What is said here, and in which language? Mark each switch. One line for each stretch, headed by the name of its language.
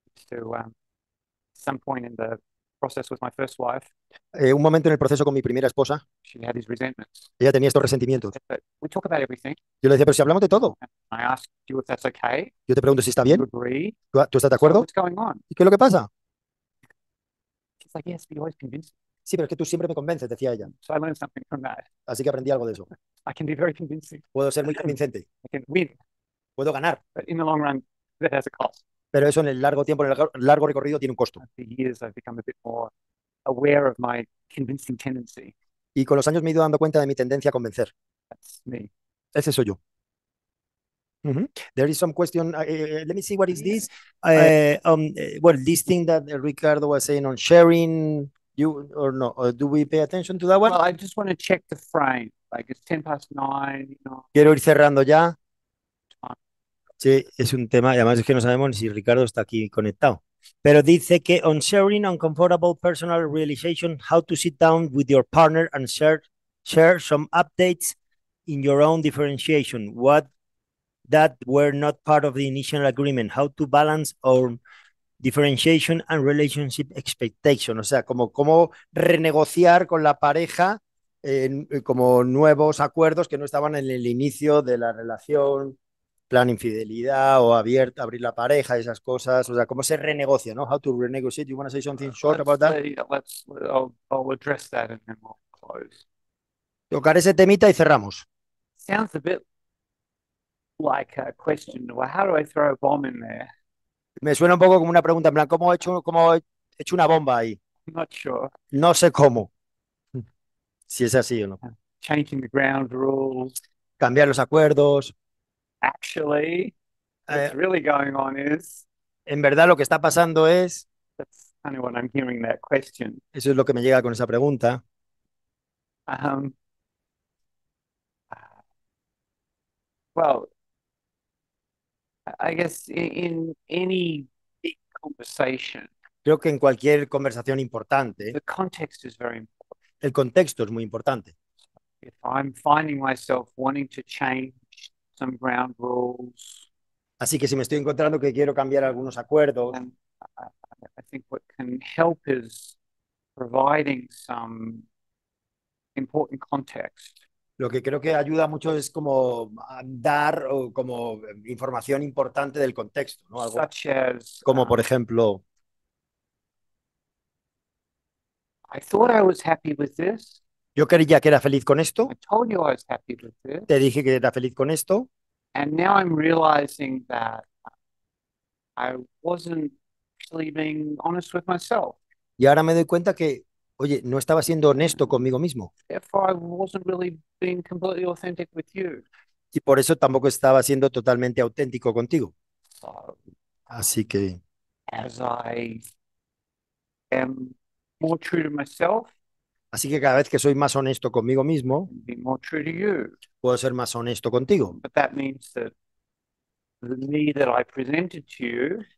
English: So, some point in the process with my first wife.
Spanish: Un momento en el proceso con mi primera esposa.
English: She had these resentments.
Spanish: Ella tenía estos resentimientos.
English: But we talk about everything.
Spanish: Yo le decía, pero si hablamos de todo.
English: And I asked you if that's okay.
Spanish: Yo te pregunto si está bien.
English: You agree.
Spanish: ¿Tú estás de acuerdo?
English: So what's going on?
Spanish: ¿Y qué es lo que pasa?
English: It's like, yes, but you always convince.
Spanish: Sí, pero es que tú siempre me convences, decía ella.
English: So I learned something from that.
Spanish: Así que aprendí algo de eso.
English: I can be very convincing.
Spanish: Puedo ser muy convincente.
English: I can win.
Spanish: Puedo ganar.
English: But in the long run, that has a cost.
Spanish: Pero eso en el largo tiempo, en el largo recorrido, tiene un costo.
English: For years, I've become a bit more aware of my convincing tendency.
Spanish: Y con los años me he ido dando cuenta de mi tendencia a convencer.
English: That's me.
Spanish: Ese soy yo.
English: Mm-hmm. There is some question. Let me see what is yeah. This. This thing that Ricardo was saying on sharing, you or no? Or do we pay attention to that one? Well, I just want to check the frame. Like it's 9:10. You know.
Spanish: Quiero ir cerrando ya. Sí, es un tema. Además es que no sabemos si Ricardo está aquí conectado. Pero dice que
English: on sharing uncomfortable personal realization, how to sit down with your partner and share some updates in your own differentiation. What that were not part of the initial agreement, how to balance our differentiation and relationship expectation.
Spanish: O sea, como cómo renegociar con la pareja como nuevos acuerdos que no estaban en el inicio de la relación, plan infidelidad o abrir la pareja, esas cosas. O sea, cómo se renegocia, ¿no?
English: How to renegotiate. You want to say something short let's about that? I'll address that and then we'll close.
Spanish: Tocar ese temita y cerramos.
English: Sounds a bit like a question. Well, how do I throw a bomb in there?
Spanish: Me suena un poco como una pregunta, en plan, ¿cómo he hecho una bomba ahí?
English: I'm not sure.
Spanish: No sé cómo. Si es así o no.
English: Changing the ground rules.
Spanish: Cambiar los acuerdos.
English: Actually, what's really going on is.
Spanish: En verdad, lo que está pasando es.
English: That's kind of what I'm hearing that question.
Spanish: Eso es lo que me llega con esa pregunta.
English: Well, I guess in any big conversation,
Spanish: creo que en cualquier conversación importante,
English: the context is very important.
Spanish: El contexto es muy importante.
English: If I'm finding myself wanting to change some ground rules,
Spanish: Así que si me estoy encontrando que quiero cambiar algunos acuerdos.
English: I think what can help is providing some important context.
Spanish: Lo que creo que ayuda mucho es como dar o como información importante del contexto, ¿no? Algo,
English: such as,
Spanish: como por ejemplo,
English: I thought I was happy with this.
Spanish: Yo creía que era feliz con esto.
English: I told you I was happy with this.
Spanish: Te dije que era feliz con esto.
English: And now I'm realizing that I wasn't actually being honest with myself.
Spanish: Y ahora me doy cuenta que, oye, no estaba siendo honesto conmigo mismo.
English: Therefore, I wasn't really being completely authentic with you.
Spanish: Y por eso tampoco estaba siendo totalmente auténtico contigo.
English: So,
Spanish: así que,
English: as I am more true to myself,
Spanish: así que cada vez que soy más honesto conmigo mismo,
English: be more true to you.
Spanish: Puedo ser más honesto contigo.
English: But that means that the me that I presented to you,